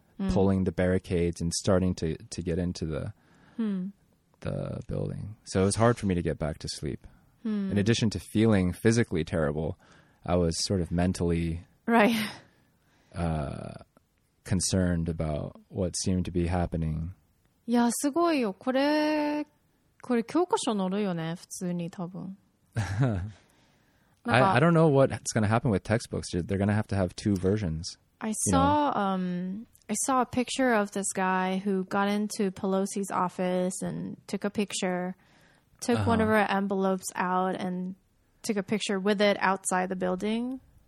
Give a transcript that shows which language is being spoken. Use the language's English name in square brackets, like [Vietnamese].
[English] pulling the barricades and starting to get into the building. So it was hard for me to get back to sleep. In addition to feeling physically terrible, I was sort of mentally concerned about what seemed to be happening. [Japanese] Yeah, すごいよ。これ教科書載るよね、普通に多分。 [English] I don't know what's going to happen with textbooks. They're going to have two versions. I saw a picture of this guy who got into Pelosi's office and took a picture, took one of her envelopes out and took a picture with it outside the building.